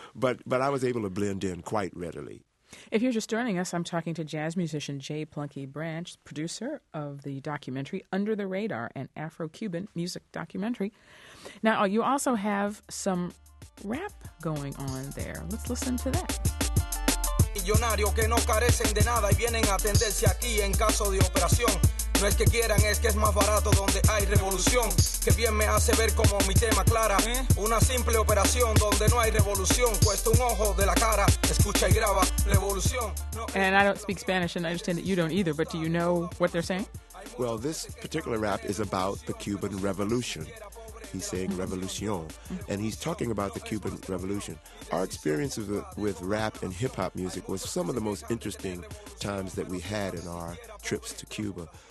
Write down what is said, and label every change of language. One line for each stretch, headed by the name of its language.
English: But I was able to blend in quite readily. If you're just joining us, I'm talking to jazz musician Jay Plunky Branch, producer of the documentary Under the Radar, an Afro-Cuban music documentary. Now, you also have some rap going on there. Let's listen to that.
Spanish: Millonarios que no carecen de nada y vienen a atenderse aquí en caso de operación. No es que quieran, es que es más barato donde hay revolución. Que bien me hace ver como mi tema clara. Una simple operación donde no hay revolución. Cuesta un ojo de la cara. Escucha y graba. Revolución.
English: And I don't speak Spanish, and I understand that you don't either, but do you know what they're saying? Well, this particular rap is about the Cuban Revolution. He's saying revolution, and he's talking about the Cuban Revolution. Our experience with rap and hip-hop music was some of the most interesting times that we had in our trips to Cuba.